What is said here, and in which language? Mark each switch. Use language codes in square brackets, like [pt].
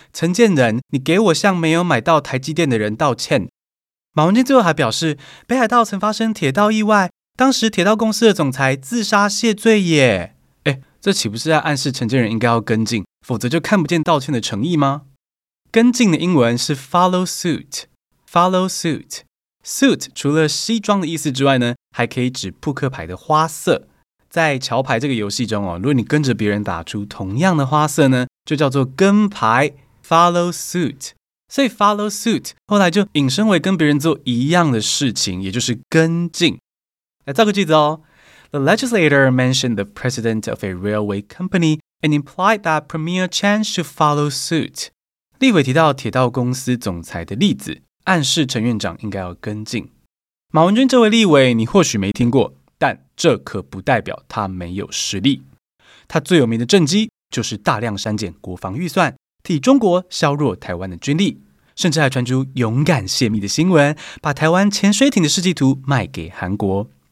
[zh] 陈建仁，你给我向没有买到台积电的人道歉。马文君最后还表示，北海道曾发生铁道意外，当时铁道公司的总裁自杀谢罪耶。哎，这岂不是在暗示陈建仁应该要跟进，否则就看不见道歉的诚意吗？跟进的英文是 follow suit， follow suit。 suit 除了西装的意思之外呢，还可以指扑克牌的花色。在桥牌这个游戏中哦，如果你跟着别人打出同样的花色呢，就叫做跟牌， follow suit。所以 follow suit 后来就引申为跟别人做一样的事情，也就是跟进。来造个句子哦。 [en] The legislator mentioned the president of a railway company and implied that Premier Chan should follow suit。 [zh] 立委提到铁道公司总裁的例子，暗示陈院长应该要跟进。马文君这位立委你或许没听过，但这可不代表他没有实力。他最有名的政绩就是大量删减国防预算，替中国削弱台湾的军力，甚至还传出勇敢泄密的新闻，把台湾潜水艇的设计图卖给韩国。